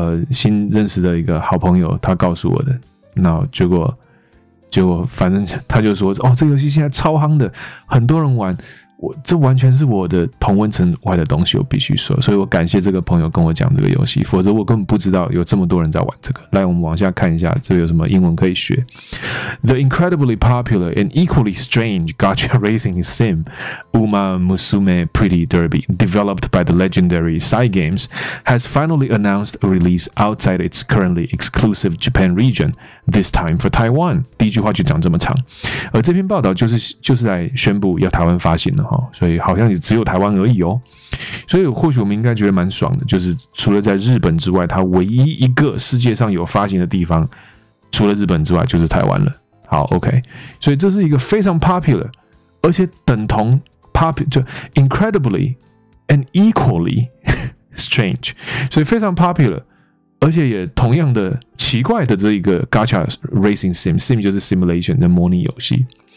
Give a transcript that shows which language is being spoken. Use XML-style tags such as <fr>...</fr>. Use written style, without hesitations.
<zh>新认识的一个好朋友，他告诉我的。那结果反正他就说，哦，这游戏现在超夯的，很多人玩。这完全是我的同温层外的东西，我必须说。所以我感谢这个朋友跟我讲这个游戏，否则我根本不知道有这么多人在玩这个。来，我们往下看一下，这有什么英文可以学。</zh> <en>The incredibly popular and equally strange Gacha Racing Sim Uma Musume Pretty Derby, developed by the legendary Cygames, has finally announced a release outside its currently exclusive Japan region, this time for Taiwan.</en> <zh>第一句话就讲这么长。而这篇报道就是来宣布要台湾发行，所以好像也只有台湾而已哦。所以或许我们应该觉得蛮爽的，就是除了在日本之外，它唯一一个世界上有发行的地方，除了日本之外就是台湾了。好 ，OK， 所以这是一个非常 popular， 而且等同 popular 就</zh> <en>incredibly and equally strange，</en> <zh>所以非常 popular， 而且也同样的奇怪的这一个 Gacha Racing Sim 就是 simulation 的模拟游戏。</zh>